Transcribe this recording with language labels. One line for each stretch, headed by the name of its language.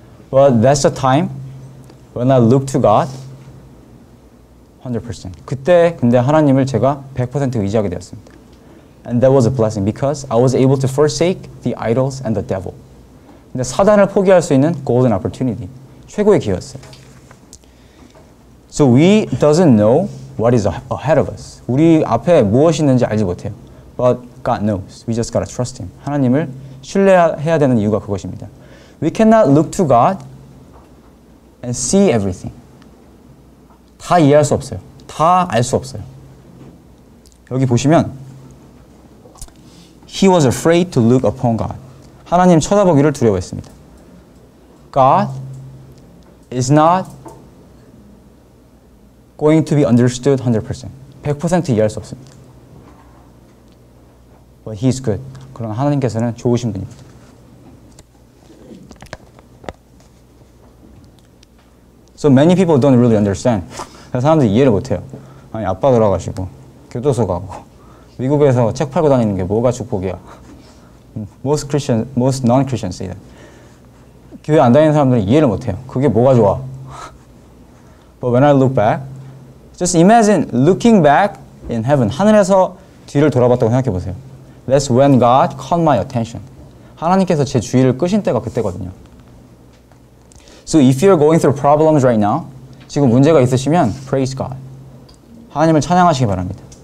English: But that's the time when I look to God 100%.
Korean: 그때 근데 하나님을 제가 100% 의지하게 되었습니다.
English: And that was a blessing because I was able to forsake the idols and the devil.
Korean: 근데 사단을 포기할 수 있는
English: golden opportunity.
Korean: 최고의 기회였어요.
English: So we doesn't know what is ahead of us.
Korean: 우리 앞에 무엇이 있는지 알지 못해요.
English: But God knows. We just gotta trust Him.
Korean: 하나님을 신뢰해야 되는 이유가 그것입니다.
English: We cannot look to God and see everything.
Korean: 다 이해할 수 없어요. 다 알 수 없어요. 여기 보시면
English: He was afraid to look upon God.
Korean: 하나님 쳐다보기를 두려워했습니다.
English: God is not going to be understood 100%.
Korean: 100% 이해할 수 없습니다.
English: But He is good.
Korean: 그러나 하나님께서는 좋으신 분입니다.
English: So many people don't really understand.
Korean: 사람들이 이해를 못해요. 아니 아빠 돌아가시고 교도소 가고 미국에서 책 팔고 다니는 게 뭐가 축복이야.
English: Most Christian, most non-Christians say that.
Korean: 교회 안 다니는 사람들은 이해를 못해요. 그게 뭐가 좋아.
English: But when I look back, just imagine looking back in heaven.
Korean: 하늘에서 뒤를 돌아봤다고 생각해보세요.
English: That's when God caught my attention.
Korean: 하나님께서 제 주의를 끄신 때가 그때거든요.
English: So if you're going through problems right now,
Korean: 지금 문제가 있으시면
English: praise God.
Korean: 하나님을 찬양하시기 바랍니다.